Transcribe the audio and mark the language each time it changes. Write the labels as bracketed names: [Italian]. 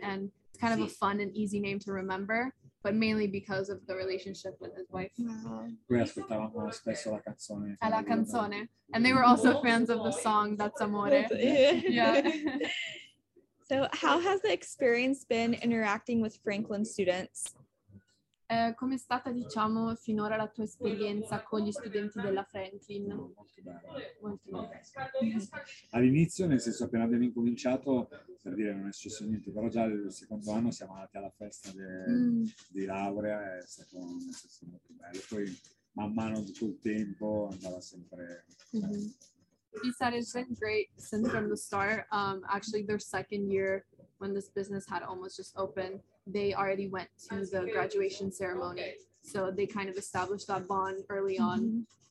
[English] And it's kind of a fun and easy name to remember, but mainly because of the relationship with his wife. [Italian] Qui ascoltavamo spesso la canzone. A la canzone. [English] And they were also fans of the song That's Amore. Yeah. So how has the experience been interacting with Franklin students? [Italian] Come è stata, diciamo, finora la tua esperienza con gli studenti della Franklin? Molto bella. All'inizio, nel senso, appena abbiamo incominciato, per dire, non è successo niente, però già nel secondo anno siamo andati alla festa di laurea, è stato nel senso, molto bello. Poi, man mano, tutto il tempo, andava sempre... [English] He said it's been great since from the start. Actually, their second year, when this business had almost just opened, they already went to the graduation ceremony. So they kind of established that bond early on.